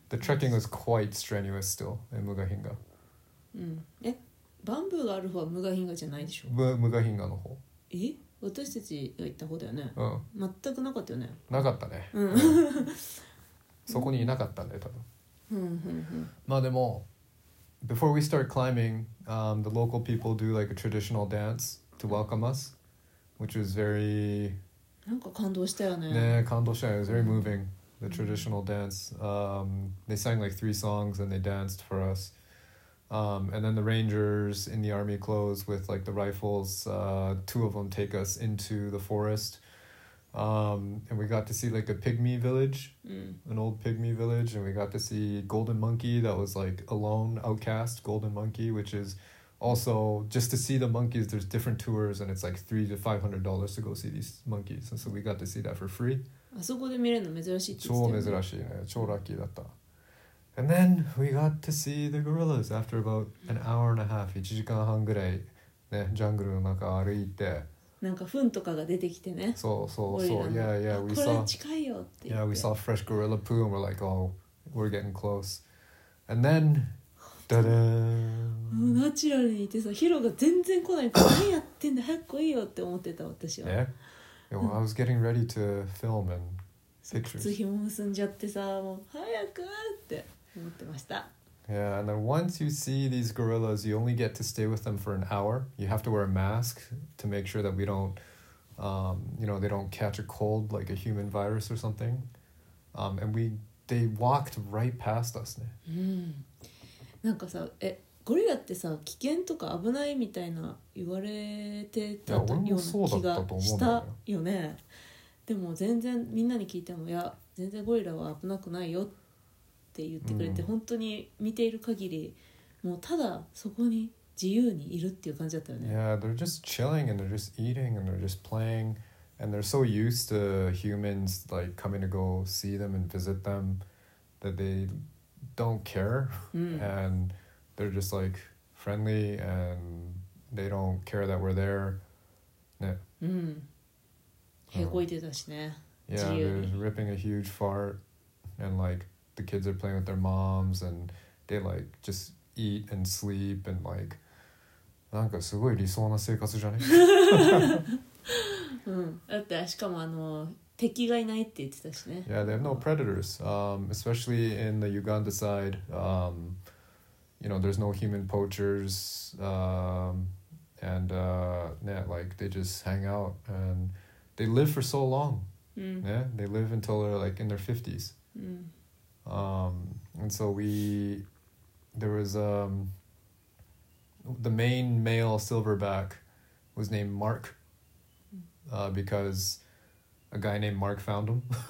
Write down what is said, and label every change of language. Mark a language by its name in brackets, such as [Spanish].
[English] The trekking was quite strenuous still in Mugahinga. [Japanese] え、bamboo がある方は Mugahinga じゃないでしょ。 Mugahinga の方。え、私たちが行った方だよね。全くなかったよね。なかったね。そこにいなかったね、多分。まあでも [English] before we start climbing the local people do like a traditional dance to welcome us which was very [Japanese] なんか感動したよね。ね、感動したよ。 [English] It was very moving the traditional dance they sang like 3 songs and they danced for us and then the rangers in the army clothes with like the rifles 2 of them take us into the forest and we got to see like a pygmy village, an old pygmy village, and we got to see golden monkey that was like a lone outcast golden monkey, which is also just to see the monkeys, there's different tours and it's like $300 to $500 to go see these monkeys. And so we got to see that for free. [Japanese] あそこで見れるの珍しいって言ってたよね。超珍しいね。超ラッキーだった。 [English] And then we got to see the gorillas after about an hour and a half, [Japanese] 1時間半ぐらい、ね、ジャングルの中歩いて、なんか糞とかが出てきてね。そうそうそう。 [English] Yeah, yeah, we saw, [Japanese] これ近いよって言って。 [English] Yeah, we saw fresh gorilla poo and we're like, oh, we're getting close. And then, da da. [Japanese] ナチュラルにいてさ、ヒロが全然来ないから何やってんだ早く来いよって思ってた私は。 [English] Yeah. Yeah, well, I was getting ready to film and pictures. [Japanese] 靴紐結んじゃってさ、もう早くって思ってました。 [English] Yeah, and then once you see these gorillas, you only get to stay with them for an hour. You have to wear a mask to make sure that we don't, you know, they don't catch a cold like a human virus or something. And we, they walked right past us. [Japanese] なんかさ、え、ゴリラってさ、危険とか危ないみたいな言われてたような気がしたよね。でも全然みんなに聞いても、いや、全然ゴリラは危なくないよって言ってくれて、本当に見ている限り、もうただそこに自由にいるっていう感じだったよね。 [English] Yeah, they're just chilling and they're just eating and they're just playing and they're so used to humans like coming to go see them and visit them that they don't care and they're just like friendly and they don't care that we're there. [Japanese] へこいてたしね。 [English] Yeah, they're ripping a huge fart and like,the kids are playing with their moms and they like just eat and sleep and like [Japanese] なんかすごい理想な生活じゃない？だってしかもあの敵がいないって言ってたしね。 [English] Yeah, they have no predators. Especially in the Uganda side, you know, there's no human poachers. Yeah, like they just hang out and they live for so long. Yeah, they live until they're like in their 50s. And so we, there was, the main male silverback was named Mark, because a guy named Mark found him.